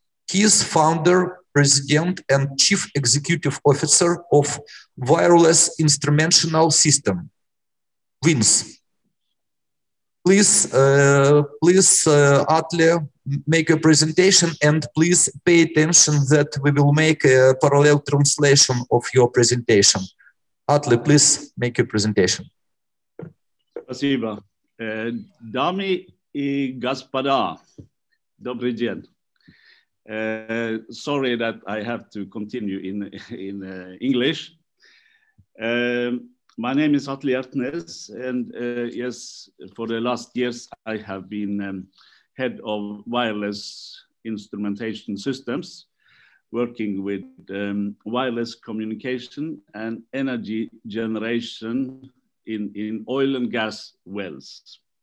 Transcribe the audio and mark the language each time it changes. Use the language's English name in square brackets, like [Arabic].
[English] He is founder, president, and chief executive officer of Wireless Instrumentational System, WINS. Please, Atli, make a presentation and please pay attention that we will make a parallel translation of your presentation. Atli, please make your presentation. [Russian] Спасибо. Дамы и господа, добрый день. [English] Sorry that I have to continue in English. My name is Atli Hertinens, and yes, for the last years I have been head of wireless instrumentation systems, working with wireless communication and energy generation in oil and gas wells.